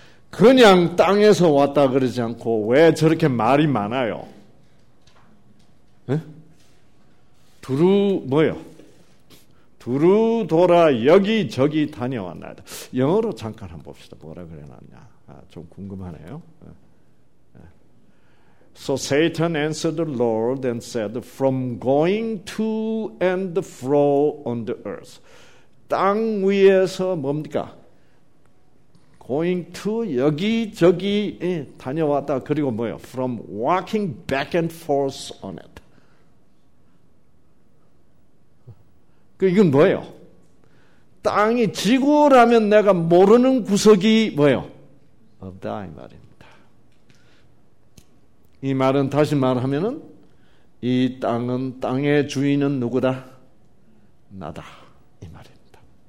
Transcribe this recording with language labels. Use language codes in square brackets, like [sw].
[ko] 그냥 땅에서 왔다 그러지 않고 왜 저렇게 말이 많아요? 에? 두루 뭐요? 두루 돌아 여기저기 다녀왔나이다. 영어로 잠깐 한번 봅시다. 뭐라 그래놨냐? 아, 좀 궁금하네요. [en] So Satan answered the Lord and said, From going to and fro on the earth. [ko] 땅 위에서 뭡니까? [en] Going to, [ko] 여기저기 다녀왔다. 그리고 뭐요? [en] From walking back and forth on it. [ko] 이건 뭐예요? 땅이 지구라면 내가 모르는 구석이 뭐예요? 없다 이 말입니다. 이 말은 다시 말하면은 이 땅은 땅의 주인은 누구다? 나다. 이 말입니다.